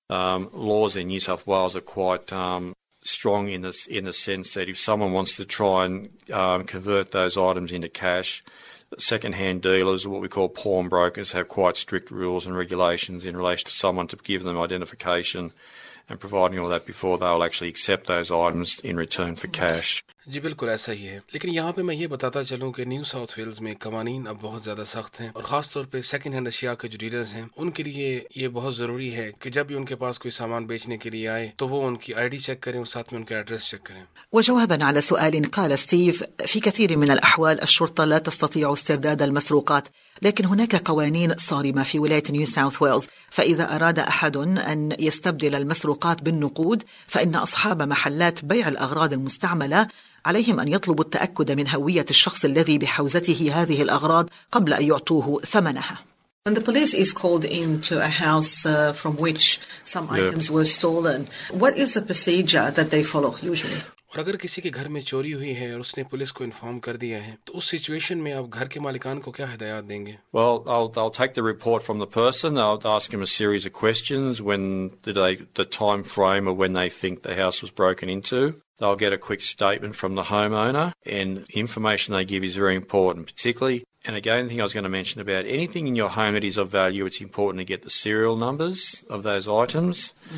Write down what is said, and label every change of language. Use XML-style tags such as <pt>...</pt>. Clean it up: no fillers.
<en>Laws in New South Wales are quite strong in the sense that if someone wants to try and convert those items into cash, second-hand dealers, what we call pawnbrokers, have quite strict rules and regulations in relation to someone to give them identification and providing all that before they'll actually accept those items in return for cash.</en> <ur>جی بالکل ایسا ہی ہے، لیکن یہاں پہ میں یہ بتاتا چلوں کہ نیو ساؤتھ ویلز میں قوانین اب بہت زیادہ سخت ہیں، اور خاص طور پہ سیکنڈ ہینڈ اشیاء کے جو ڈیلرز ہیں ان کے لیے یہ بہت ضروری ہے کہ جب بھی ان کے پاس کوئی سامان بیچنے کے لیے آئے تو وہ ان کی آئی ڈی چیک کریں اور ساتھ میں ان کے ایڈریس چیک کریں.</ur> <ar>وجوابا على سؤال قال ستيف: في كثير من الاحوال الشرطه لا تستطيع استرداد المسروقات، لكن هناك قوانين صارمه في ولايه نيو ساؤث ويلز، فاذا اراد احد ان يستبدل المسروقات بالنقود فان اصحاب محلات بيع الاغراض المستعمله عليهم أن يطلبوا التأكد من هوية الشخص الذي بحوزته هذه الأغراض قبل أن يعطوه ثمنها.</ar> <en>When the police is called into a house from which some items were stolen, what is the procedure that they follow usually?</en> <ur>اور اگر کسی کے گھر میں چوری ہوئی ہے اور اس نے پولیس کو انفارم کر دیا ہے تو اس سچویشن میں آپ گھر کے مالکان کو کیا ہدایات دیں گے؟</ur> <en>Well, I'll take the report from the person. I'll ask him a series of questions. When the time frame of when they think the house was broken into, they'll get a quick statement from the homeowner, and information they give is very important. Particularly, and again, the thing I was going to mention about anything in your home that is of value, it's important to get the serial numbers of those items.</en>